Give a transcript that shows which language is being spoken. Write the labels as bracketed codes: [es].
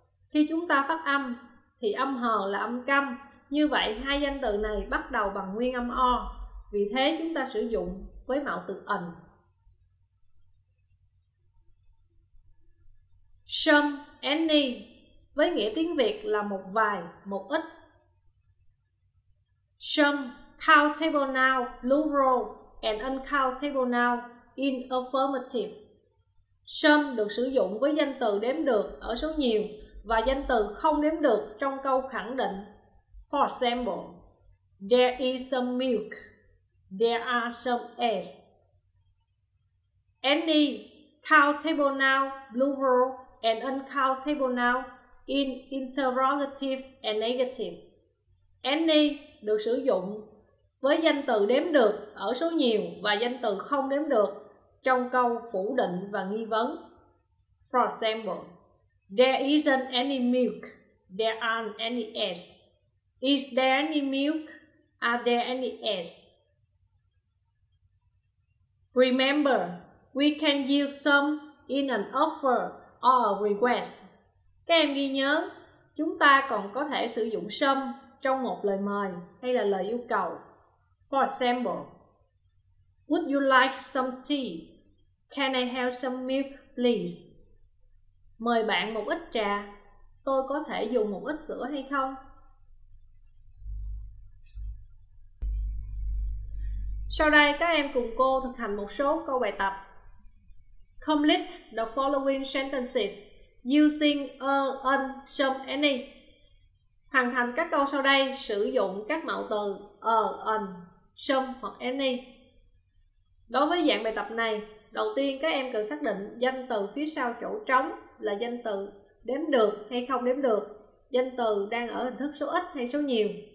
[vi] Khi chúng ta phát âm thì âm hờ là âm câm. Như vậy, hai danh từ này bắt đầu bằng nguyên âm o. Vì thế, chúng ta sử dụng với mạo từ an. Some, any, với nghĩa tiếng Việt là một vài, một ít. [en] Some countable noun, plural and uncountable noun in affirmative. [vi] Some được sử dụng với danh từ đếm được ở số nhiều và danh từ không đếm được trong câu khẳng định. [en] For example, there is some milk, there are some eggs. Any countable noun, plural and uncountable noun in interrogative and negative. [vi] Any được sử dụng với danh từ đếm được ở số nhiều và danh từ không đếm được trong câu phủ định và nghi vấn. [en] For example, there isn't any milk, there aren't any eggs. Is there any milk? Are there any eggs? Remember, we can use some in an offer or a request. [vi] Các em ghi nhớ, chúng ta còn có thể sử dụng some trong một lời mời hay là lời yêu cầu. [en] For example, would you like some tea? Can I have some milk, please? [vi] Mời bạn một ít trà, tôi có thể dùng một ít sữa hay không? Sau đây các em cùng cô thực hành một số câu bài tập. [en] Complete the following sentences using a, an, some, any. [vi] Hoàn thành các câu sau đây sử dụng các mạo từ a, an, some hoặc any. Đối với dạng bài tập này, đầu tiên các em cần xác định danh từ phía sau chỗ trống là danh từ đếm được hay không đếm được, danh từ đang ở hình thức số ít hay số nhiều.